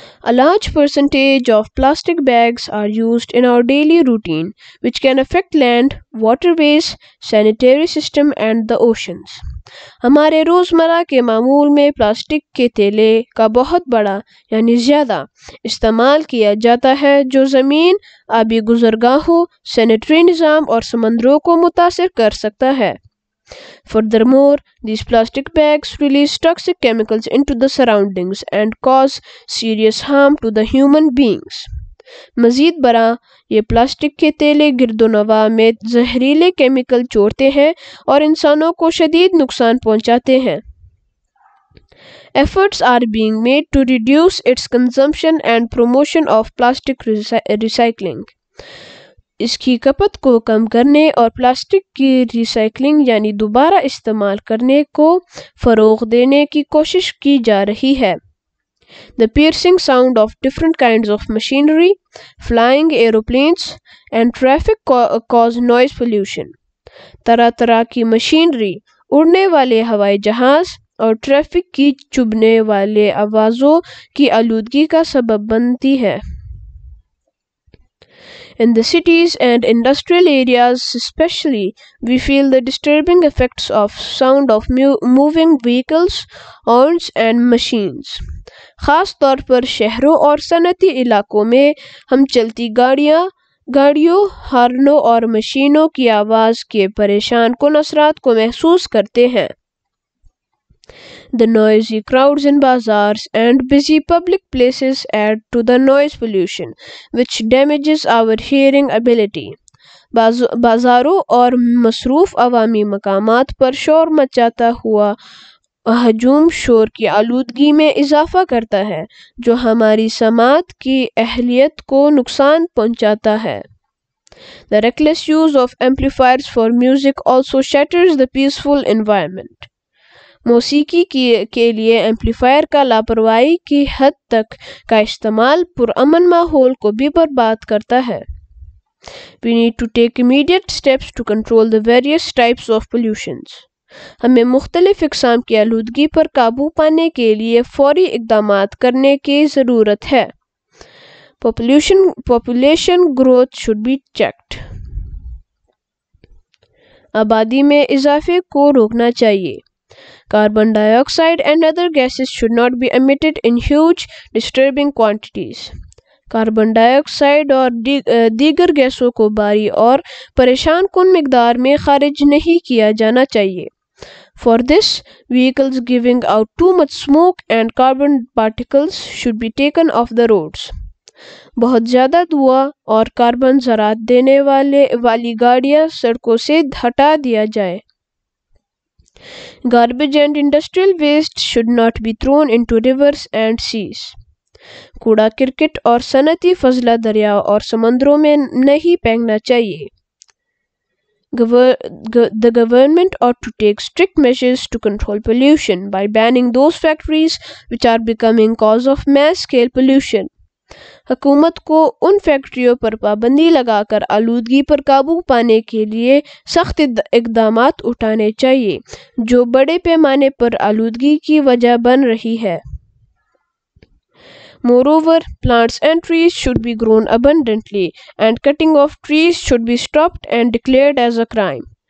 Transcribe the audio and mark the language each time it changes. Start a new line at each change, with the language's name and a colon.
English: A large percentage of plastic bags are used in our daily routine, which can affect land, waterways, sanitary system and the oceans.
Urdu: ہمارے روزمرہ کے معمول میں plastic کے تھیلے کا بہت بڑا یعنی زیادہ استعمال کیا جاتا ہے، جو زمین، آبی گزرگاہوں، سینیٹری نظام اور سمندروں کو متاثر کر سکتا ہے.
English: Furthermore, these plastic bags release toxic chemicals into the surroundings and cause serious harm to the human beings.
Urdu: مزید برآں، یہ پلاسٹک کے تیلے گرد و نواح میں زہریلے کیمیکل چھوڑتے ہیں اور انسانوں کو شدید نقصان پہنچاتے ہیں.
English: Efforts are being made to reduce its consumption and promotion of plastic recycling.
Urdu: اس کی کھپت کو کم کرنے اور پلاسٹک کی ریسائکلنگ یعنی دوبارہ استعمال کرنے کو فروغ دینے کی کوشش کی جا رہی ہے.
English: The piercing sound of different kinds of machinery, flying aeroplanes and traffic cause noise pollution.
Urdu: طرح طرح کی مشینری، اڑنے والے ہوائی جہاز اور ٹریفک کی چبھنے والے آوازوں کی آلودگی کا سبب بنتی ہے.
English: In the cities and industrial areas especially, we feel the disturbing effects of sound of moving vehicles, horns and machines.
Urdu: خاص طور پر شہروں اور صنعتی علاقوں میں ہم چلتی گاڑیوں، ہارنوں اور مشینوں کی آواز کے پریشان کن اثرات کو محسوس کرتے ہیں.
English: The noisy crowds in bazaars and busy public places add to the noise pollution, which damages our hearing ability.
Urdu: بازاروں اور مصروف عوامی مقامات پر شور مچاتا ہوا ہجوم شور کی آلودگی میں اضافہ کرتا ہے، جو ہماری سماعت کی اہلیت کو نقصان پہنچاتا ہے.
English: The reckless use of amplifiers for music also shatters the peaceful environment.
Urdu: موسیقی کے لیے ایمپلیفائر کا لاپرواہی کی حد تک کا استعمال پرامن ماحول کو بھی برباد کرتا ہے.
English: We need to take immediate steps to control the various types of pollutions.
Urdu: ہمیں مختلف اقسام کی آلودگی پر قابو پانے کے لیے فوری اقدامات کرنے کی ضرورت ہے.
English: Population growth should be checked.
Urdu: آبادی میں اضافے کو روکنا چاہیے.
English: Carbon dioxide and other gases should not be emitted in huge disturbing quantities.
Urdu: Carbon dye oxide اور دیگر گیسوں کو بھاری اور پریشان کن مقدار میں خارج نہیں کیا جانا چاہیے.
English: For this, vehicles giving out too much smoke and carbon particles should be taken off the roads.
Urdu: بہت زیادہ دھواں اور کاربن ذرات دینے والی گاڑیاں سڑکوں سے ہٹا دیا جائے.
English: Garbage and industrial waste should not be thrown into rivers and seas.
Urdu: کوڑا کرکٹ اور صنعتی فضلہ دریا اور سمندروں میں نہیں پھینکنا چاہیے.
English: The government ought to take strict measures to control pollution by banning those factories which are becoming cause of mass scale pollution.
Urdu: حکومت کو ان فیکٹریوں پر پابندی لگا کر آلودگی پر قابو پانے کے لیے سخت اقدامات اٹھانے چاہیے، جو بڑے پیمانے پر آلودگی کی وجہ بن رہی ہے.
English: Moreover, plants and trees should be grown abundantly and cutting of trees should be stopped and declared as a crime.